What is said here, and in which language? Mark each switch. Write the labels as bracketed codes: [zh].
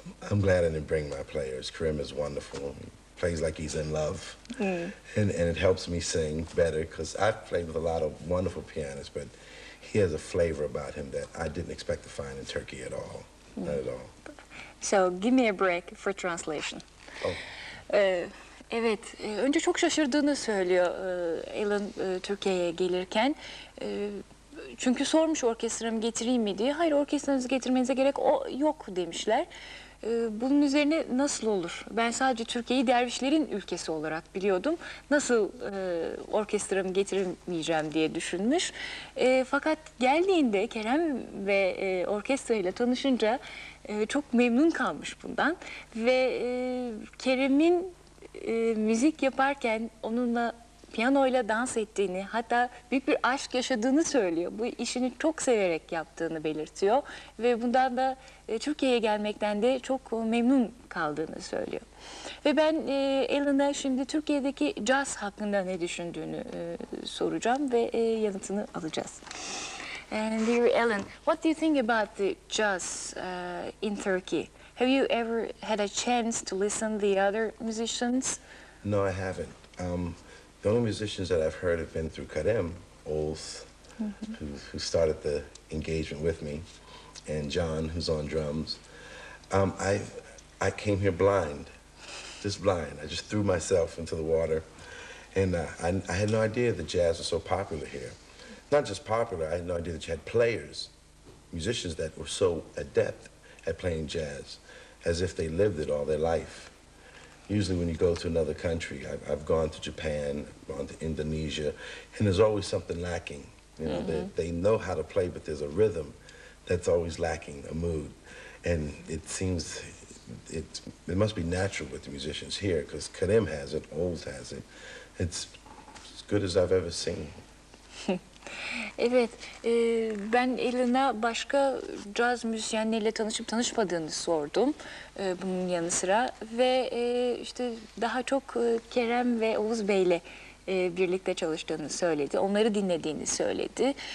[en] I'm glad I didn't bring my players. Karim is wonderful. He plays like he's in love. And it helps me sing better because I've played with a lot of wonderful pianists, but he has a flavor about him that I didn't expect to find in Turkey at all. Not at all. So give me a break for translation. [tr] Evet, önce çok şaşırdığını söylüyor Alan Türkiye'ye gelirken. Çünkü sormuş orkestramı getireyim mi diye. Hayır, orkestranızı getirmenize gerek yok demişler. Bunun üzerine nasıl olur? Ben sadece Türkiye'yi dervişlerin ülkesi olarak biliyordum. Nasıl orkestramı getirmeyeceğim diye düşünmüş. Fakat geldiğinde Kerem ve orkestrayla tanışınca çok memnun kalmış bundan. Ve Kerem'in müzik yaparken onunla piyanoyla dans ettiğini, hatta büyük bir aşk yaşadığını söylüyor. Bu işini çok severek yaptığını belirtiyor. Ve bundan da Türkiye'ye gelmekten de çok memnun kaldığını söylüyor. Ve ben Alan'a şimdi Türkiye'deki caz hakkında ne düşündüğünü soracağım ve yanıtını alacağız. [en] And dear Alan, what do you think about the jazz in Turkey? Have you ever had a chance to listen to the other musicians? No, I haven't. The only musicians that I've heard have been through Karim Oğuz, who started the engagement with me, and John, who's on drums. I came here blind, just blind. I just threw myself into the water, and I had no idea that jazz was so popular here. Not just popular, I had no idea that you had players, musicians that were so adept at playing jazz, as if they lived it all their life. usually when you go to another country, I've gone to Japan, gone to Indonesia, and there's always something lacking. You know, mm-hmm. they know how to play, but there's a rhythm that's always lacking, a mood. And it seems it must be natural with the musicians here, because Karim has it, Oğuz has it. It's as good as I've ever seen. [tr] Evet, ben Elin'a başka caz müzisyenleriyle tanışıp tanışmadığını sordum bunun yanı sıra. Ve işte daha çok Kerem ve Oğuz Bey'le birlikte çalıştığını söyledi. Onları dinlediğini söyledi.